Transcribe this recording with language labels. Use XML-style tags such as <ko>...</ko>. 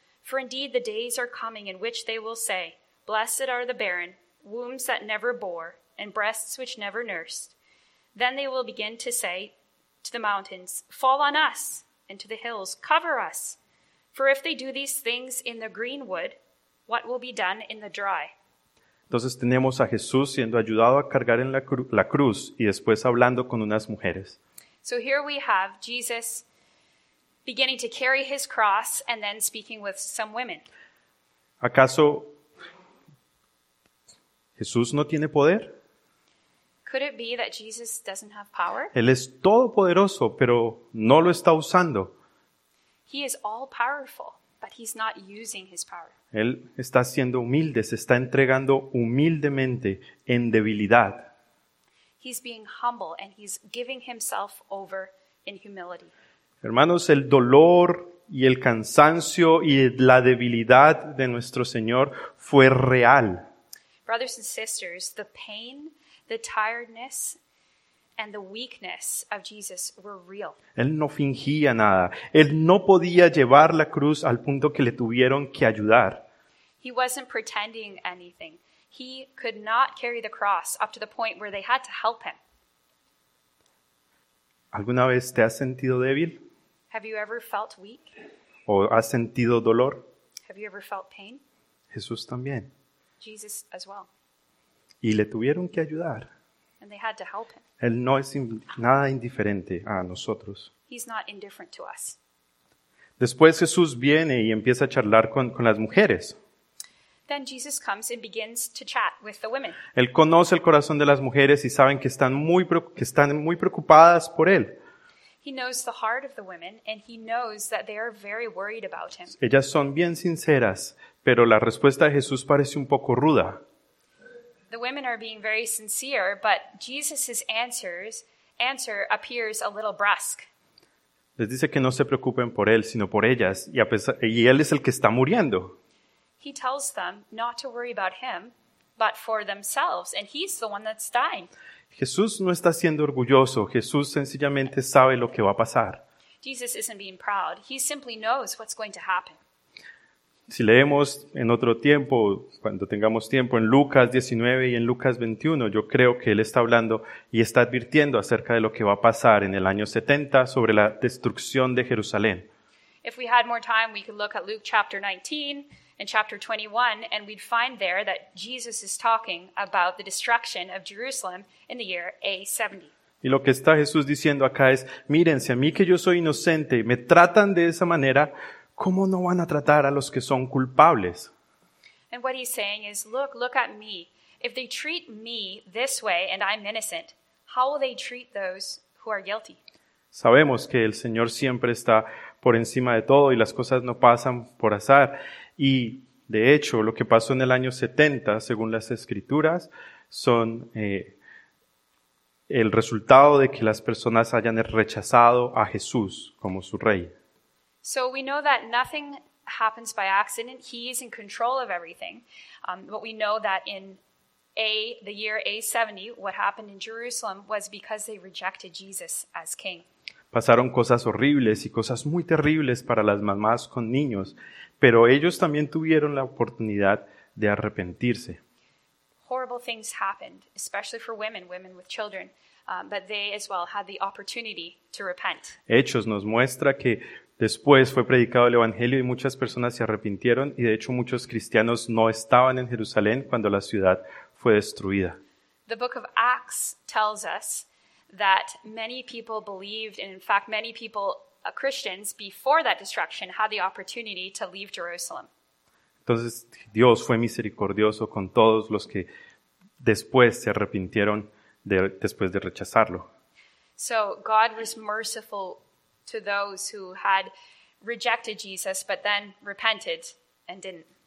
<en>For indeed the days are coming in which they will say, Blessed are the barren, wombs that never bore, and breasts which never nursed. Then they will begin to say to the mountains, Fall on us, and to the hills, cover us. For if they do these things in the green wood, what will be done in the dry?</en> <es>Entonces tenemos a Jesús siendo ayudado a cargar en la cruz y después hablando con unas mujeres.</es> <en>So here we have Jesus beginning to carry his cross and then speaking with some women.</en> <es>¿Acaso Jesús no tiene poder?</es> <en>Could it be that Jesus doesn't have power?</en> <es>Él es todopoderoso, pero no lo está usando.</es> <en>He is all powerful, but he's not using his power.</en> <es>Él está siendo humilde, se está entregando humildemente en debilidad.</es> <en>He's being humble and he's giving himself over in humility.</en> <es>Hermanos, el dolor y el cansancio y la debilidad de nuestro Señor fue real.</es> <en>Brothers and sisters, the pain, the tiredness, and the weakness of Jesus were real.</en> <es>Él no fingía nada. Él no podía llevar la cruz al punto que le tuvieron que ayudar.</es> <en>He wasn't pretending anything. He could not carry the cross up to the point where they had to help him.</en> <es>¿Alguna vez te has sentido débil?</es> <en>Have you ever felt weak?</en> <es>¿O has sentido dolor?</es> <en>Have you ever felt pain?</en> <es>Jesús también.</es> <en>Jesus as well.</en> <es>Y le tuvieron que ayudar.</es> <en>And they had to help him.</en> <es>Él no es nada indiferente a nosotros.</es> <en>He's not indifferent to us.</en> <es>Después Jesús viene y empieza a charlar con las mujeres.</es> <en>Then Jesus comes and begins to chat with the women.</en> <es>Él conoce el corazón de las mujeres y saben que están muy preocupadas por él.</es> <en>He knows the heart of the women and he knows that they are very worried about him.</en> <es>Ellas son bien sinceras, pero la respuesta de Jesús parece un poco ruda.</es> <en>The women are being very sincere, but Jesus's answer appears a little brusque.</en> <es>Les dice que no se preocupen por él, sino por ellas, y él es el que está muriendo.</es> <en>He tells them not to worry about him, but for themselves, and he's the one that's dying.</en> <es>Jesús no está siendo orgulloso, Jesús sencillamente sabe lo que va a pasar.</es> <en>Jesus isn't being proud, he simply knows what's going to happen.</en> <es>Si leemos en otro tiempo, cuando tengamos tiempo, en Lucas 19 y en Lucas 21, yo creo que él está hablando y está advirtiendo acerca de lo que va a pasar en el año 70 sobre la destrucción de Jerusalén.</es> <en>If we had more time, we could look at Luke chapter 19 and chapter 21, and we'd find there that Jesus is talking about the destruction of Jerusalem in the year A70.</en> <es>Y lo que está Jesús diciendo acá es, mírense, a mí que yo soy inocente, me tratan de esa manera, ¿cómo no van a tratar a los que son culpables?</es> <en>And what he's saying is, look at me. If they treat me this way and I'm innocent, how will they treat those who are guilty?</en> <es>Sabemos que el Señor siempre está por encima de todo y las cosas no pasan por azar. Y de hecho, lo que pasó en el año 70, según las Escrituras, son el resultado de que las personas hayan rechazado a Jesús como su rey.</es> <en>So we know that nothing happens by accident. He is in control of everything. But we know that in the year A70, what happened in Jerusalem was because they rejected Jesus as king.</en> <es>Pasaron cosas horribles y cosas muy terribles para las mamás con niños, pero ellos también tuvieron la oportunidad de arrepentirse.</es> <en>Horrible things happened, especially for women with children, but they as well had the opportunity to repent.</en> <es>Hechos nos muestra que después fue predicado el Evangelio y muchas personas se arrepintieron y de hecho muchos cristianos no estaban en Jerusalén cuando la ciudad fue destruida.</es> <en>The book of Acts tells us that many people believed, and in fact many people, Christians, before that destruction had the opportunity to leave Jerusalem.</en> <es>Entonces Dios fue misericordioso con todos los que después se arrepintieron después de rechazarlo.</es> <en>So God was merciful to those who had rejected Jesus, but then repented and didn't.</en>